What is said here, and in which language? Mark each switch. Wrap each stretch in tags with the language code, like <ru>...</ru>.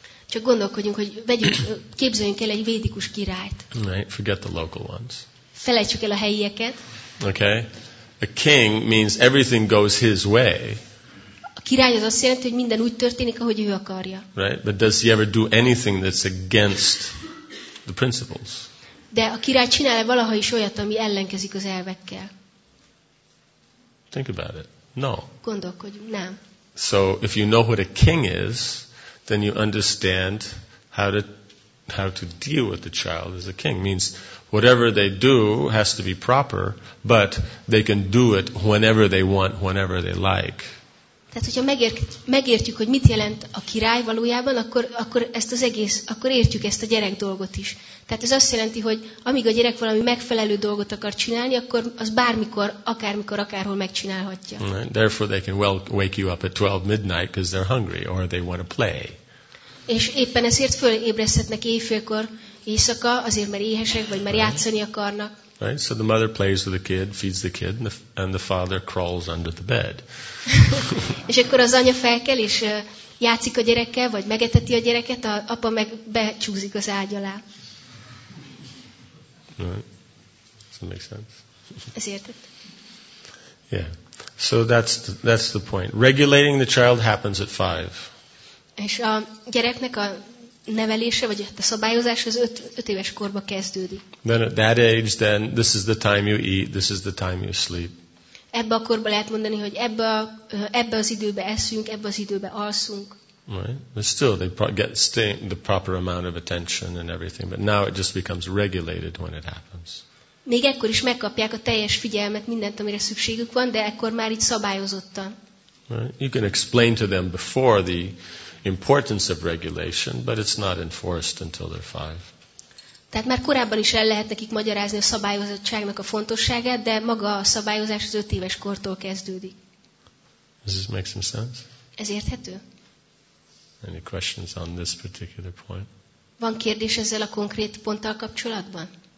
<hu>Csak gondolkodjunk, hogy képzeljünk el egy védikus királyt.</hu> <en>Right, forget the local ones.</en> <hu>Felejtsük el a helyieket.</hu> <en>Okay. A king means everything goes his way.</en> <hu>A király az azt jelenti, hogy minden úgy történik, ahogy ő akarja.</hu> <en>Right, but does he ever do anything that's against the principles?</en> <hu>De a király csinál-e valaha is olyat, ami ellenkezik az elvekkel?</hu> <en>Think about it. No.</en> <hu>Gondolkodjunk, nem.</hu> <en>So if you know what a king is, then you understand how to deal with the child as a king. Means whatever they do has to be proper, but they can do it whenever they want, whenever they like.</en> <hu>Tehát hogyha megértjük, hogy mit jelent a király valójában, akkor ezt az egész, akkor értjük ezt a gyerek dolgot is. Tehát ez azt jelenti, hogy amíg a gyerek valami megfelelő dolgot akar csinálni, akkor az bármikor, akármikor, akárhol megcsinálhatja.</hu> <en>Right. Therefore they can well wake you up at 12 midnight because they're hungry or they want to play.</en> <hu>És éppen ezért fölébreszthetnek éjfélkor, éjszaka, azért mert éhesek vagy mert játszani akarnak.</hu> <en>Right, so the mother plays with the kid, feeds the kid, and the father crawls under the bed.</en> <hu>És akkor az anya felkel és játszik a gyerekkel, vagy megeteti a gyereket, a apa meg becsúszik az ágy alá.</hu> <en>Right, so makes sense.</en> <hu>Ez értett.</hu> <en>Yeah, so that's the point. Regulating the child happens at 5.</en> <hu>És a gyereknek a nevelése vagy a szabályozás az 5 éves korba kezdődik.</hu> <en>Then at that age, then this is the time you eat, this is the time you sleep.</en> <hu>Ebbe a korba lehet mondani, hogy ebbe az időbe eszünk, ebbe az időbe alszunk.</hu> <en>Right, but still they get the proper amount of attention and everything, but now it just becomes regulated when it happens.</en> <hu>Még ekkor is megkapják a teljes figyelmet, mindent, amire szükségük van, de ekkor már itt szabályozottan.</hu> <en>Right, you can explain to them before the importance of regulation, but it's not enforced until they're 5.</en> <hu>Tehát már korábban is el lehet nekik magyarázni a szabályozottságnak a fontosságát, de maga a szabályozás az 5 éves kortól kezdődik.</hu> <en>Does this make some sense?</en> <hu>Ez érthető?</hu> <en>Any questions on this particular point?</en> <hu>Van kérdés ezzel a konkrét ponttal kapcsolatban?</hu>